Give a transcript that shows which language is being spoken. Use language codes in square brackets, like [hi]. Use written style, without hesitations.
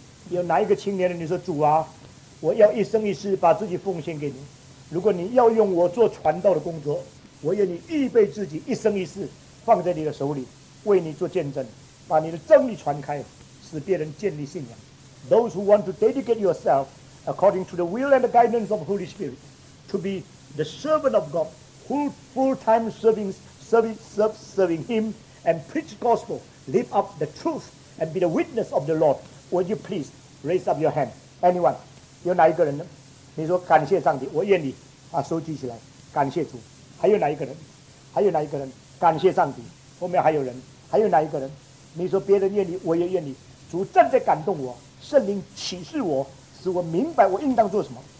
[zh] 有哪一个青年人？你说主啊，我要一生一世把自己奉献给你。如果你要用我做传道的工作，我愿意预备自己一生一世放在你的手里，为你做见证，把你的真理传开，使别人建立信仰。 [en] Those who want to dedicate yourself according to the will and the guidance of the Holy Spirit. To be the servant of God, full-time serving Him and preach the gospel, live up the truth and be the witness of the Lord. Would you please raise up your hand? Anyone? [zh] 有哪一个人呢？你说感谢上帝，我愿意把手举起来，感谢主。还有哪一个人？还有哪一个人？感谢上帝。后面还有人？还有哪一个人？你说别人愿意，我也愿意。主正在感动我，圣灵启示我，使我明白我应当做什么。